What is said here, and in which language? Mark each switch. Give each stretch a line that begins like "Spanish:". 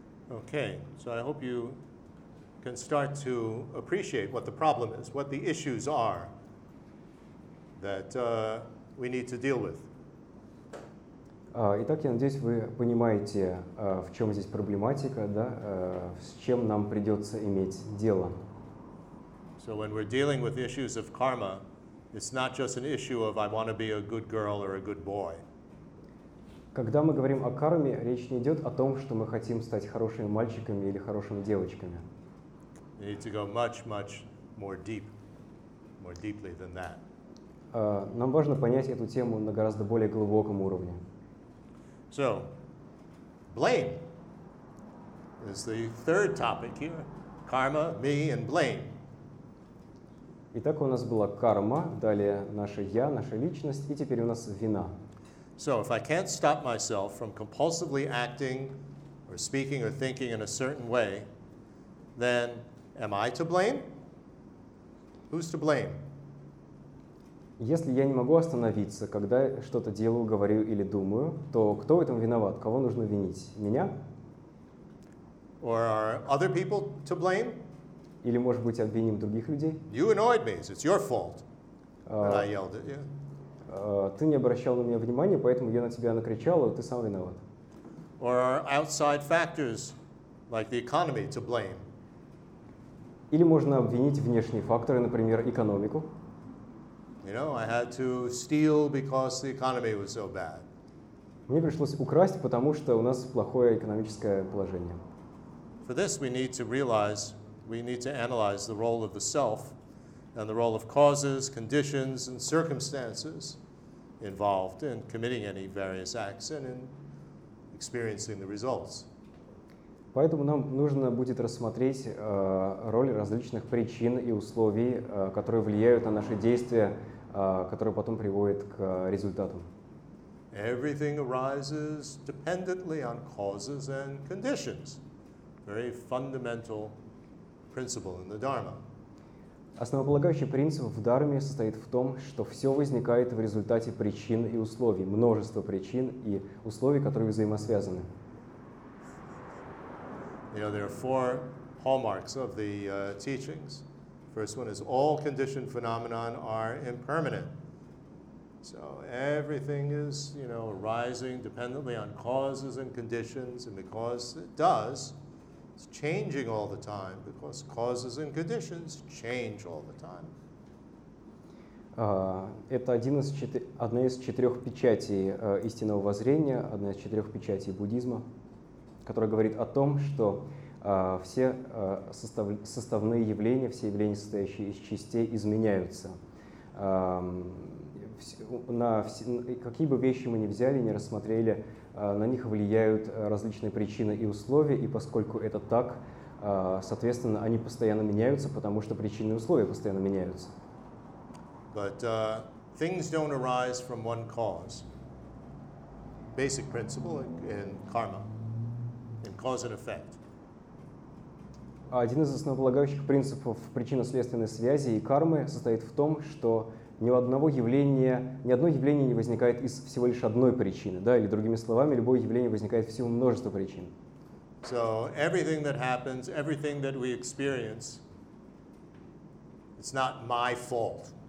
English: Okay, so I hope you can start to appreciate what the problem is, what the issues are that we need to deal with.
Russian: Итак, я надеюсь, вы понимаете, в чем здесь проблематика, да, с чем нам придется иметь дело.
English: So when we're dealing with issues of karma, it's not just an issue of I want to be a good girl or a good boy.
Russian: Когда мы говорим о карме, речь не идет о том, что мы хотим стать хорошими мальчиками или хорошими девочками.
English: We need to go much, much more deep, more deeply than that.
Russian: Нам важно понять эту тему на гораздо более глубоком уровне.
English: So, blame is the third topic here. Karma, me, and blame.
Russian: Итак, у нас была карма, далее наше я, наша личность, и теперь у нас вина.
English: So, if I can't stop myself from compulsively acting or speaking or thinking in a certain way, then am I to blame? Who's to blame?
Russian: Если я не могу остановиться, когда что-то делаю, говорю или думаю, то кто в этом виноват? Кого нужно винить? Меня?
English: Or are other people to blame?
Russian: Или, может быть, обвиним других людей?
English: You annoyed me, so it's your fault that I yelled at you.
Russian: Ты не обращал на меня внимания, поэтому я на тебя накричал, и ты сам виноват.
English: Or are outside factors, like the economy, to blame?
Russian: Или можно обвинить внешние факторы, например, экономику?
English: You know, I had to steal because the economy was so bad.
Russian: Мне пришлось украсть, потому что у нас плохое экономическое положение.
English: For this, we need to realize, we need to analyze the role of the self and the role of causes, conditions, and circumstances involved in committing any various acts and in experiencing the results.
Russian: Поэтому нам нужно будет рассмотреть роль различных причин и условий, которые влияют на наши действия, которые потом приводят к результату.
English: Everything arises dependently on causes and conditions. Very fundamental principle in the Dharma.
Russian: Основополагающий принцип в Дхарме состоит в том, что все возникает в результате причин и условий, множество причин и условий, которые взаимосвязаны.
English: You know, there are four hallmarks of the teachings. First one is all conditioned phenomena are impermanent. So everything is, you know, arising dependently on causes and conditions, and because it does, it's changing all the time, because causes and conditions change all the time.
Russian: Это одна из четырех печатей истинного воззрения, одна из четырех печатей буддизма, которая говорит о том, что все составные явления, все явления, состоящие из частей, изменяются. Какие бы вещи мы ни взяли, ни рассмотрели, на них влияют различные причины и условия, и поскольку это так, соответственно, они постоянно меняются, потому что причины и условия постоянно меняются.
English: But things don't arise from one cause. Basic principle in karma. Cause and effect.
Russian: Один из основополагающих принципов причинно-следственной связи и кармы состоит в том, что ни одно явление не возникает из всего лишь одной причины, да, или другими словами, любое явление возникает из всего множества причин.
English: So everything that happens, everything that we experience, it's not my fault.